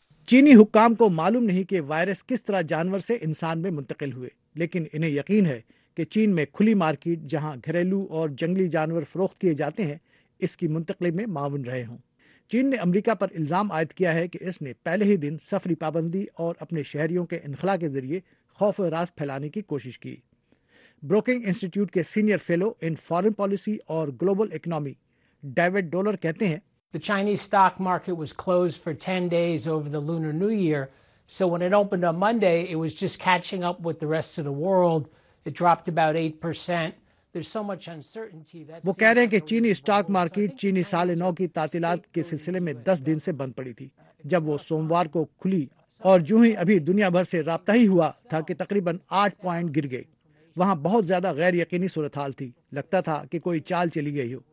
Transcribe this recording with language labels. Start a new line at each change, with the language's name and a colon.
Urdu: چینی حکام کو معلوم نہیں کہ وائرس کس طرح جانور سے انسان میں منتقل ہوئے, لیکن انہیں یقین ہے کہ چین میں کھلی مارکیٹ جہاں گھریلو اور جنگلی جانور فروخت کیے جاتے ہیں اس کی منتقلی میں معاون رہے ہوں. چین نے امریکہ پر الزام عائد کیا ہے کہ اس نے پہلے ہی دن سفری پابندی اور اپنے شہریوں کے انخلا کے ذریعے خوف و راز پھیلانے کی کوشش کی. بروکنگ انسٹیٹیوٹ کے سینئر فیلو ان فارن پالیسی اور گلوبل اکنامی ڈیوڈ ڈولر کہتے ہیں,
English: The Chinese stock market was closed for 10 days over the Lunar New Year, so when it opened on Monday, it was just catching up with the rest of the world. It dropped about 8%. There's so much uncertainty that
Urdu: وہ کہہ رہے ہیں کہ چینی stock market چینی سال نو کی تعطیلات کے سلسلے میں 10 دن سے بند پڑی تھی جب وہ سوموار کو کھلی, اور جو ہی ابھی دنیا بھر سے رابطہ ہی ہوا تھا کہ تقریباً 8 پوائنٹ گر گئی. وہاں بہت زیادہ غیر یقینی صورتحال تھی, لگتا تھا کہ کوئی چال چلی گئی ہو.